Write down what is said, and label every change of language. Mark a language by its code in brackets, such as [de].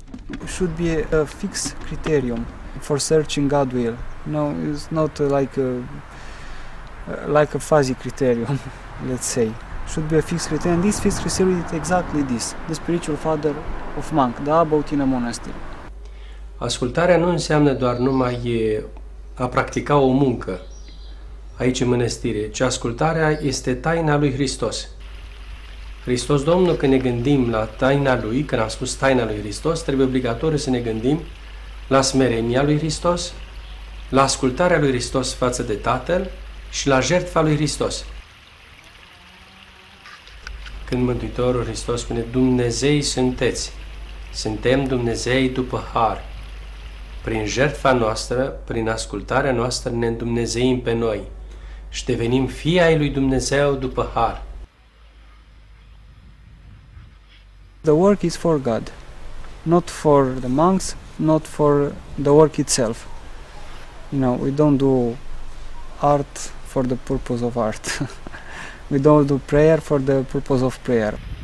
[en] It should be a fixed criterion for searching God's will. No, it's not like a fuzzy criterion, let's say. Should be a fixed criterion. And this fixed criterion is exactly this, the spiritual father of monk, the abbot in a monastery. [ro] Ascultarea nu înseamnă doar numai a practica o muncă aici în mănăstire, ci ascultarea este taina lui Hristos. Hristos Domnul, când ne gândim la taina lui, când am spus taina lui Hristos, trebuie obligatoriu să ne gândim la smerenia lui Hristos, la ascultarea lui Hristos față de Tatăl și la jertfa lui Hristos. Când Mântuitorul Hristos spune, Dumnezei sunteți, suntem Dumnezei după har. Prin jertfa noastră, prin ascultarea noastră, ne îndumnezeim pe noi și devenim fii ai lui Dumnezeu după har. [en] The work is for God, not for the monks, not for the work itself. You know, we don't do art for the purpose of art. We don't do prayer for the purpose of prayer.